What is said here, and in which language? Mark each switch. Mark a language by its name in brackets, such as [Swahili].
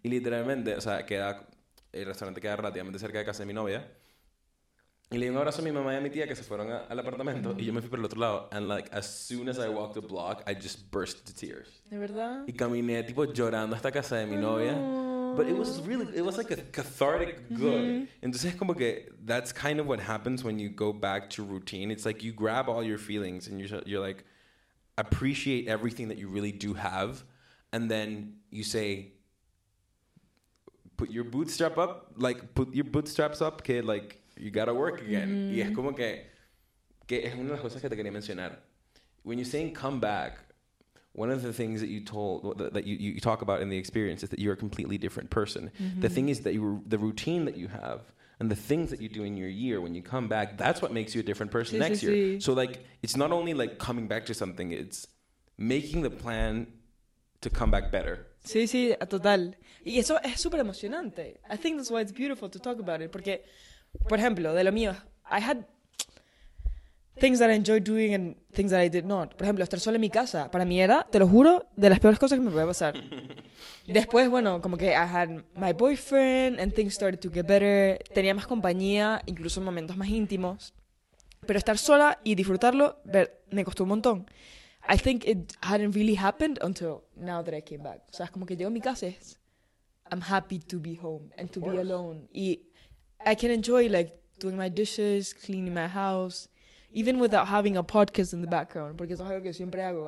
[Spanish] Y literalmente, o sea, el restaurante queda relativamente cerca de casa de mi novia. Y le di un abrazo a mi mamá y a mi tía que se fueron al apartamento mm-hmm. y yo me fui por el otro lado. [English] And like, as soon as I walked a block, I just burst into tears. [Spanish] ¿De verdad? Y caminé tipo llorando hasta casa de mi novia. [English] But it was really, it was like a cathartic good. Mm-hmm. [Spanish] Entonces como que, [English] that's kind of what happens when you go back to routine. It's like you grab all your feelings and you're like, appreciate everything that you really do have. And then you say, put your bootstrap up, like put your bootstraps up, kid, like, you gotta work again. Mm-hmm. [Spanish] Y es como que es una de las cosas que te quería mencionar. [English] When you're saying come back, one of the things that you told that you talk about in the experience is that you're a completely different person. Mm-hmm. The thing is that the routine that you have and the things that you do in your year when you come back, that's what makes you a different person next year. So like, it's not only like coming back to something, it's making the plan to come back better. [Spanish] Sí, total. Y eso es súper emocionante. [English] I think that's why it's beautiful to talk about it, [Spanish] porque por ejemplo, de lo mío, [English] I had things that I enjoyed doing and things that I did not. [Spanish] Por ejemplo, estar sola en mi casa, para mí era, te lo juro, de las peores cosas que me podía pasar. Después, bueno, como que [English] I had my boyfriend and things started to get better. [Spanish] Tenía más compañía, incluso en momentos más íntimos. Pero estar sola y disfrutarlo, me costó un montón. [English] I think it hadn't really happened until now that I came back. [Spanish] O sea, es como que llego a mi casa y es, [English] I'm happy to be home and to be alone. Y I can enjoy, like, doing my dishes, cleaning my house, even without having a podcast in the background, [Spanish] porque eso es algo que siempre hago.